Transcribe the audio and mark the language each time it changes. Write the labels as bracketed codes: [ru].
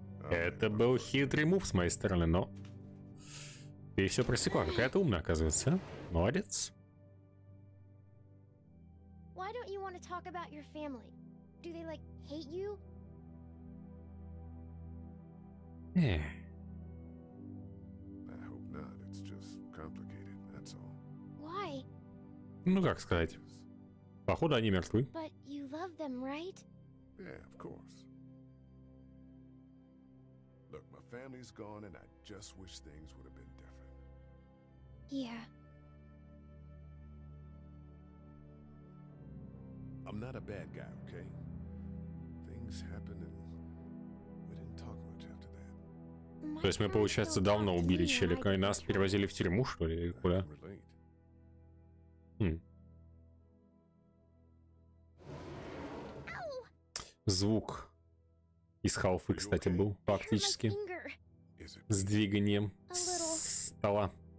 [ru] Это был хитрый мув с моей стороны, но... Ты все просекла, какая-то умная, оказывается. Молодец. [en] Why don't you want to talk about your family? Do they, like, hate you? I hope not. It's just complicated, that's all. Why? [ru] Ну, как сказать? Походу, они мертвы. [en] But you love them, right? Yeah, of course. Look, my family's gone, and I just wish things would have been different. Yeah. I'm not a bad guy, okay? Things happen, and we didn't talk much after that. [ru] То есть мы, получается, давно убили Челика, и нас перевозили в тюрьму, что ли, или куда? Звук из Халфы, кстати, был фактически с двиганием стола.